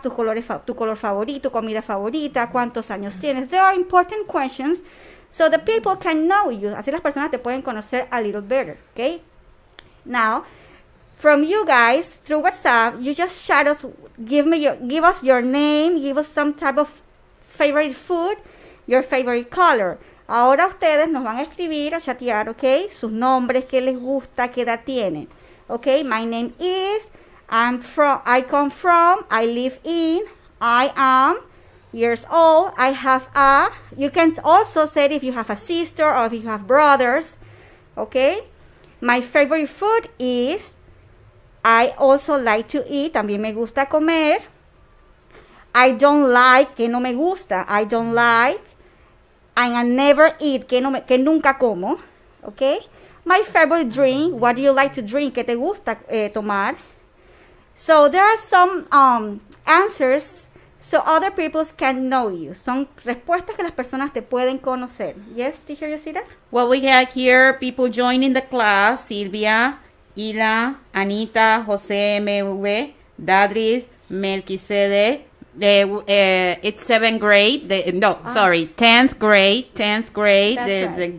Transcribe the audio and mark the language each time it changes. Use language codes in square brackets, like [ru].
[es] Tu color favorito, comida favorita, cuántos años tienes? [en] There are important questions so the people can know you. [es] Así las personas te pueden conocer [en] a little better. Okay? Now, from you guys through WhatsApp, you just shout us, give us your name, give us some type of favorite food, your favorite color. [es] Ahora ustedes nos van a escribir, a chatear, okay? Sus nombres, qué les gusta, qué edad tienen. [en] Okay, my name is, I come from, I live in, I am years old, I have a, you can also say it if you have a sister or if you have brothers, okay? My favorite food is, I also like to eat, [es] también me gusta comer. [en] I don't like, [es] que no me gusta, [en] I don't like. I never eat, [es] que nunca como, [en] okay? My favorite drink, what do you like to drink? [es] ¿Qué te gusta tomar? [en] So there are some answers so other people can know you. [es] Son respuestas que las personas te pueden conocer. [en] Yes, teacher Yesira? Well, we have here people joining the class. Silvia, Ila, Anita, Jose MV, Dadris, Melquisede. It's 7th grade, sorry, 10th grade, 10th grade, right.